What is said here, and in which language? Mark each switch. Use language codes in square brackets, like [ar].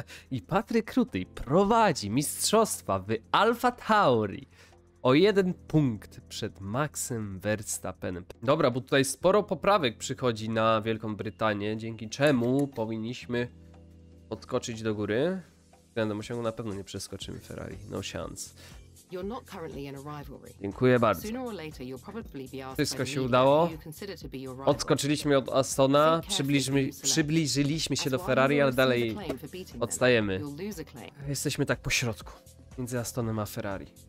[pl] I Patryk Rutej prowadzi mistrzostwa w Alfa Tauri. O jeden punkt przed Maxem Verstappenem. Dobra, bo tutaj sporo poprawek przychodzi na Wielką Brytanię. Dzięki czemu powinniśmy odskoczyć do góry. Względem osiągu na pewno nie przeskoczymy Ferrari. [en] No chance. You're not currently in a rivalry. [pl] Dziękuję bardzo. [en] Sooner or later you'll probably be asked. [pl] Wszystko się udało. Odskoczyliśmy od Astona, przybliżyliśmy się do Ferrari, ale dalej odstajemy. Jesteśmy tak po środku między Astonem a Ferrari.